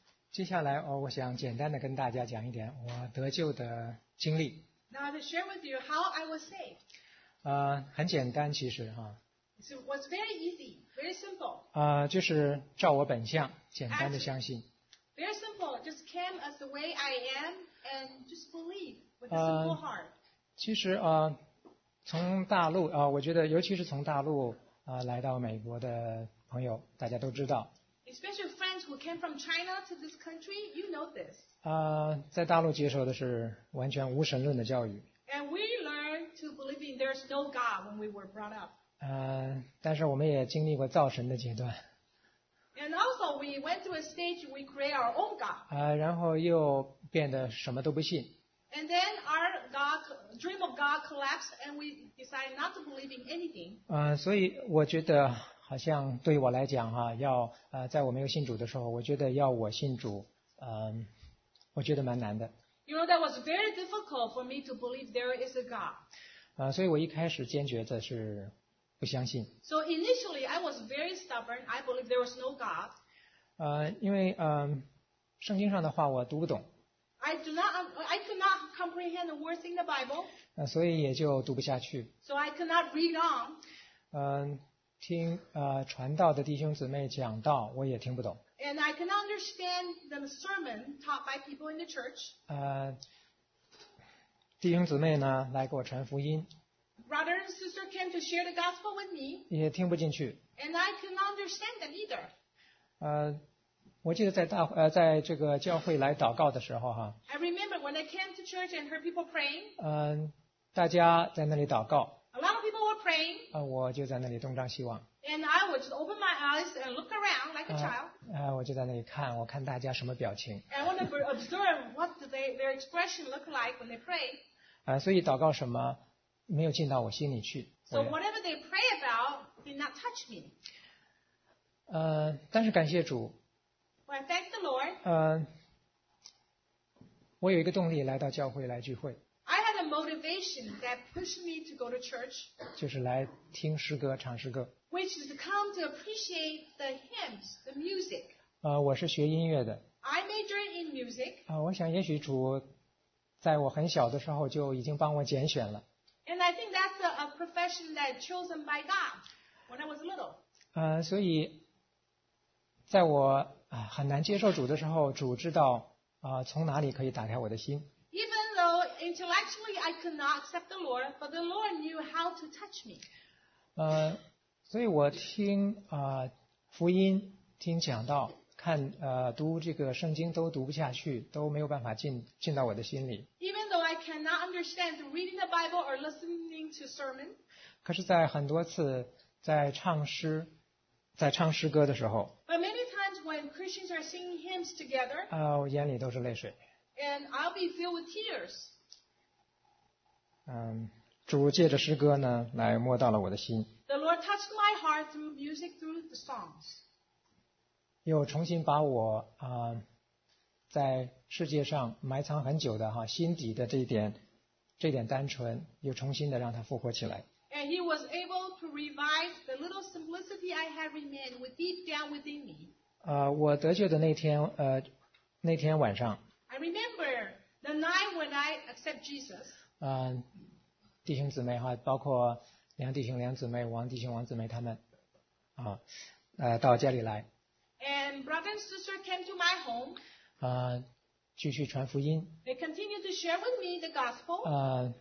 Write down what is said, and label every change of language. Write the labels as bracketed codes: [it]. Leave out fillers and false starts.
[zh] 接下来，我想简单的跟大家讲一点我得救的经历。 [en] Now to share with you how I was saved. [zh] 很简单其实哈。 [en] It was very easy, very simple. [zh] 就是照我本相，简单的相信。 [en] Very simple, just came as the way I am and just believe with a simple heart. [zh] 其实从大陆我觉得尤其是从大陆来到美国的朋友，大家都知道。 [en] Especially friends who came from China to this country, you know this. [zh] 在大陆接受的是完全无神论的教育。 [en] And we learned to believe in there's no God when we were brought up. [zh] 但是我们也经历过造神的阶段。 [en] And also we went to a stage we create our own God. [zh] 然后又变得什么都不信。 [en] And then our God, dream of God collapsed and we decided not to believe in anything. [zh] 所以我觉得好像对我来讲要在我没有信主的时候，我觉得要我信主，我觉得蛮难的。 [en] You know, that was very difficult for me to believe there is a God. [zh] 所以我一开始坚决的是不相信。 [en] So initially, I was very stubborn. I believed there was no God. [zh] 因为圣经上的话我读不懂。 [en] I could not comprehend the words in the Bible. [zh] 所以也就读不下去。 [en] So I could not read on. [zh] 听传道的弟兄姊妹讲道，我也听不懂。 [en] And I can understand the sermon taught by people in the church. [zh] 弟兄姊妹呢来给我传福音。 [en] Brother and sister came to share the gospel with me. [zh] 也听不进去。 [en] And I couldn't understand them either. [zh] 我记得在大在这个教会来祷告的时候哈。 [en] I remember when I came to church and heard people praying. [zh] 大家在那里祷告。 [en] A lot of people were praying. [zh] 我就在那里东张西望。 [en] And I would just open my eyes and look around like a child. [zh] 我就在那里看，我看大家什么表情。 [en] And I want to observe what their expression look like when they pray. [zh] 所以祷告什么没有进到我心里去。 [en] So whatever they pray about did not touch me. [zh] 但是感谢主。 [en] Well, thank the Lord. [zh] 我有一个动力来到教会来聚会。 [en] I had a motivation that pushed me to go to church. [zh] 就是来听诗歌，唱诗歌。 [en] Which is to come to appreciate the hymns, the music. [zh] 我是学音乐的。 [en] I majored in music. [zh] 我想也许主在我很小的时候就已经帮我拣选了。 [en] And I think that's a profession that chosen by God when I was little. [zh] 所以在我很难接受主的时候，主知道从哪里可以打开我的心。 [en] Even though intellectually I could not accept the Lord, but the Lord knew how to touch me. [zh] 所以我听福音，听讲道，看读这个圣经都读不下去，都没有办法进到我的心里。 [en] Even though I cannot understand reading the Bible or listening to sermon. [zh] 可是，在很多次在唱诗歌的时候。 [en] But many times when Christians are singing hymns together. [zh] 我眼里都是泪水。 [en] And I'll be filled with tears. [zh] 主借着诗歌呢，来摸到了我的心。 [en] The Lord touched my heart through music, through the songs. [zh] 又重新把我在世界上埋藏很久的心底的这点单纯，又重新的让它复活起来。 [en] And He was able to revive the little simplicity I had remained with deep down within me. [zh] 我得救的那天晚上。 [en] I remember the night when I accept Jesus. [zh] 弟兄姊妹包括梁弟兄、梁姊妹、王弟兄、王姊妹他们，到家里来。 [en] And brother and sister came to my home. [zh] 继续传福音。 [en] They continued to share with me the gospel.